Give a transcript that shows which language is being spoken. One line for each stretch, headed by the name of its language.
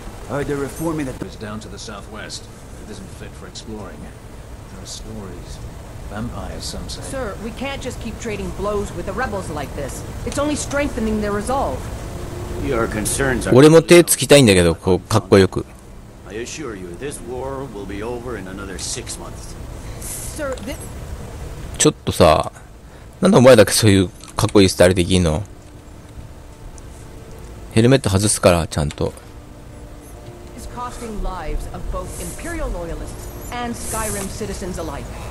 English: I heard they're reforming that goes down to the southwest. It isn't fit for exploring. There are stories. Vampires, some say. Sir, we can't just keep trading blows with the rebels like this. It's only strengthening their resolve. Your concerns are.
Japanese: 俺も手つきたいんだけど、こうかっこよく。
English: I assure you, this war will be over in another 6 months. Sir, this.
Japanese: ちょっとさ、なんでお前だけそういうかっこいいスタイルできんの？ヘルメット外すから、ちゃんと。
English: Is costing lives of both Imperial loyalists and Skyrim citizens alike.